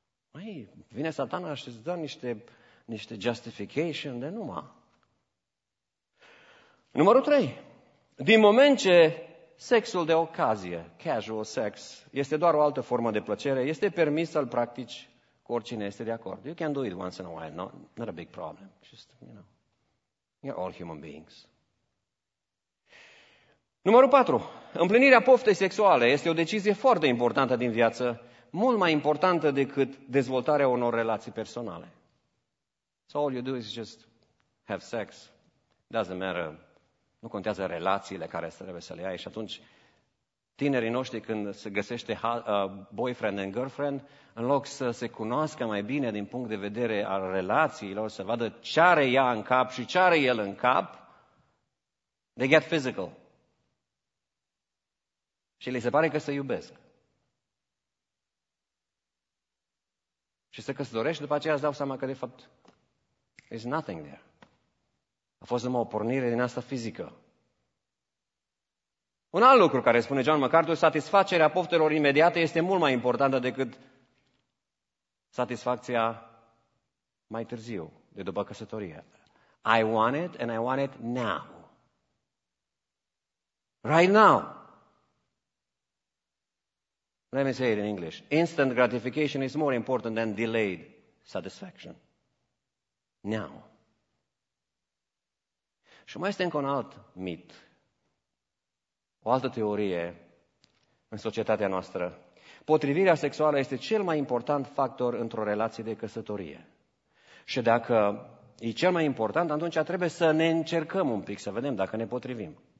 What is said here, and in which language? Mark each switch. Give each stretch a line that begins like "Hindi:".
Romanian: Măi, vine satana și îți dă niște justification de numai. Numărul 3. Din moment ce sexul de ocazie, casual sex, este doar o altă formă de plăcere, este permis să-l practici cu oricine este de acord.
English: You can do it once in a while, not a big problem. Just, you know, you're all human beings.
Romanian: Numărul 4. Împlinirea poftei sexuale este o decizie foarte importantă din viață, mult mai importantă decât dezvoltarea unor relații personale.
English: So all you do is just have sex. Doesn't matter.
Romanian: Nu contează relațiile care trebuie să le ai. Și atunci, tinerii noștri, când se găsește
English: boyfriend and girlfriend,
Romanian: în loc să se cunoască mai bine din punct de vedere al relațiilor, să vadă ce are ea în cap și ce are el în cap,
English: they get physical.
Romanian: Și li se pare că se iubesc. Și se căsătorește, după aceea îți dau seama că, de fapt,
English: there's nothing there.
Romanian: A fost numai o pornire din asta fizică. Un alt lucru care spune John MacArthur, satisfacerea poftelor imediate este mult mai importantă decât satisfacția mai târziu, de după căsătorie.
English: I want it and I want it now. Right now. Let me say it in English. Instant gratification is more important than delayed satisfaction. Now.
Romanian: Și mai este încă un alt mit, o altă teorie în societatea noastră. Potrivirea sexuală este cel mai important factor într-o relație de căsătorie. Și dacă e cel mai important, atunci trebuie să ne încercăm un pic, să vedem dacă ne potrivim.